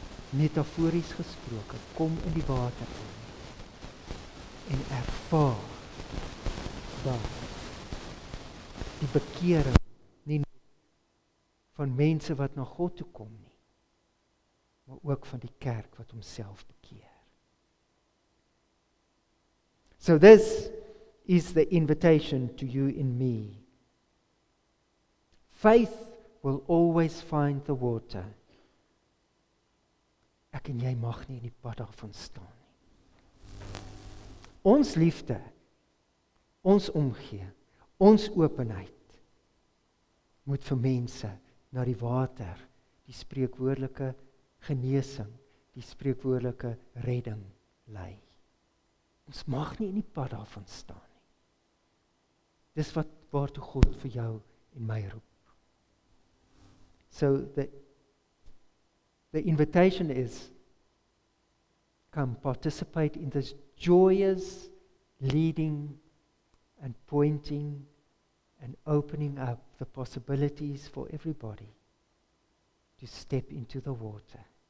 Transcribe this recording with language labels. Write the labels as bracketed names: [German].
[Afrikaans] Metaforisch gesproken. Kom in die water in. En ervaar dat die bekering nie van mense wat na God toe kom nie, maar ook van die kerk wat homself bekeer. [English] So this is the invitation to you and me. Faith will always find the water. [Afrikaans] Ek en jy mag nie in die pad daarvan staan nie. Ons liefde, ons omgee, ons openheid, moet vir mense na die water, die spreekwoordelike genesing, die spreekwoordelike redding lei. Ons mag nie in die pad daarvan staan. Dis wat waartoe God vir jou en my roep. [English] So the invitation is, come participate in this joyous leading and pointing and opening up the possibilities for everybody to step into the water.